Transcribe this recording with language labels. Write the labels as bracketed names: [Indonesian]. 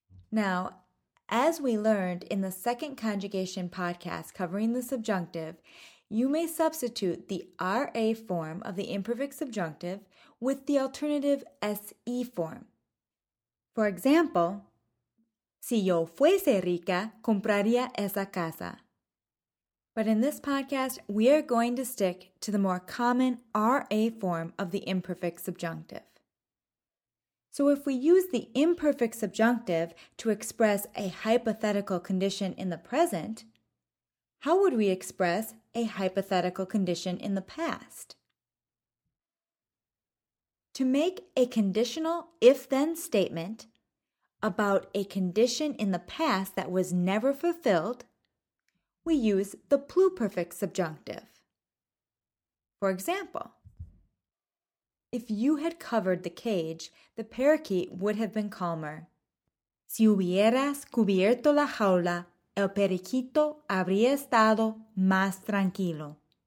[English] Now, as we learned in the second conjugation podcast covering the subjunctive, you may substitute the RA form of the imperfect subjunctive with the alternative SE form. [Spanish] For example, si yo fuese rica, compraría esa casa. [English] But in this podcast, we are going to stick to the more common RA form of the imperfect subjunctive. So if we use the imperfect subjunctive to express a hypothetical condition in the present, how would we express a hypothetical condition in the past? To make a conditional if-then statement about a condition in the past that was never fulfilled, we use the pluperfect subjunctive. For example, if you had covered the cage, the parakeet would have been calmer. [Spanish] Si hubieras cubierto la jaula, el periquito habría estado más tranquilo.